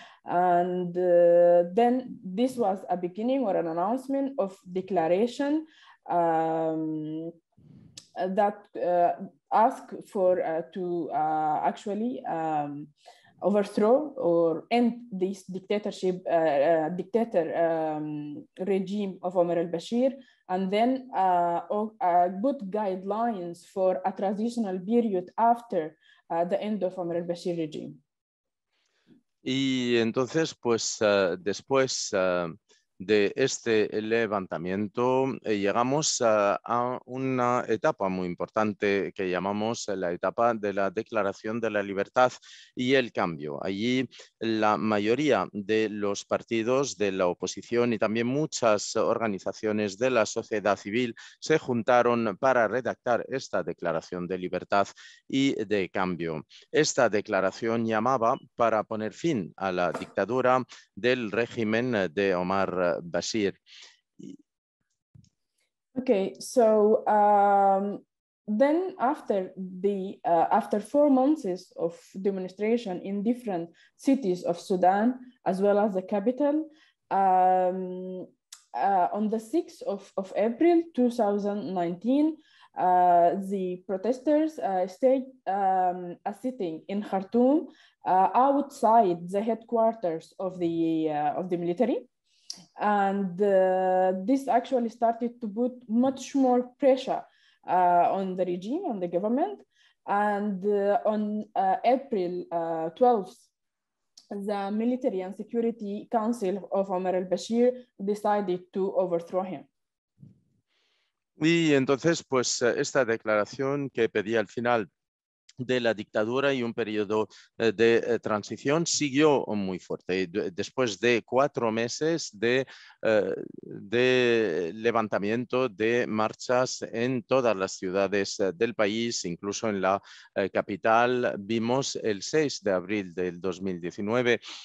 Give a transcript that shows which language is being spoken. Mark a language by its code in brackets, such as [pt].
[en] And then this was a beginning or an announcement of declaration that asked for to actually overthrow or end this dictatorship, regime of Omar al-Bashir, and then good guidelines for a transitional period after the end of Omar al-Bashir regime. [es] Y entonces, pues, después de este levantamiento, llegamos a una etapa muy importante que llamamos la etapa de la declaración de la libertad y el cambio. Allí la mayoría de los partidos de la oposición y también muchas organizaciones de la sociedad civil se juntaron para redactar esta declaración de libertad y de cambio. Esta declaración llamaba para poner fin a la dictadura del régimen de Omar Bashir. [en] Okay, so then after the after 4 months of demonstration in different cities of Sudan as well as the capital, on the 6th of April 2019, the protesters staged a sitting in Khartoum outside the headquarters of the military. And this actually started to put much more pressure on the regime, on the government. And on April 12th, the Military and Security Council of Omar al-Bashir decided to overthrow him. [es] Y entonces, pues, esta declaración que pedía el final de la dictadura y un periodo de transición siguió muy fuerte. Después de cuatro meses de levantamiento de marchas en todas las ciudades del país, incluso en la capital, vimos el 6 de abril del 2019